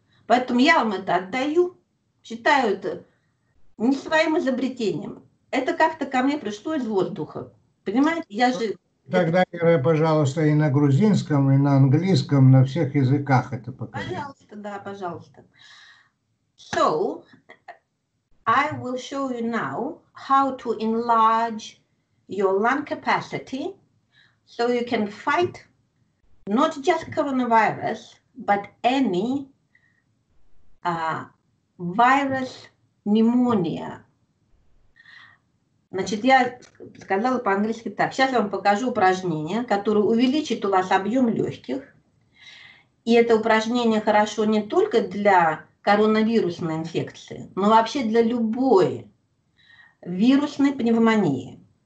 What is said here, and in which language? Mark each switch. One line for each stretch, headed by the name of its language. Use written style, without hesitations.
Russian: Поэтому я вам это отдаю, считаю это не своим изобретением. Это как-то ко мне пришло из воздуха. Понимаете, я же... Тогда, Ира, пожалуйста, и на грузинском, и на английском, на всех языках это покажи. Пожалуйста, да, пожалуйста.
English: So, I will show you now how to enlarge your lung capacity so you can fight not just coronavirus, but any virus pneumonia.
Russian: Значит, я сказала по-английски так. Сейчас я вам покажу упражнение, которое увеличит у вас объем легких. И это упражнение хорошо не только для коронавирусной инфекции, но вообще для любой вирусной пневмонии.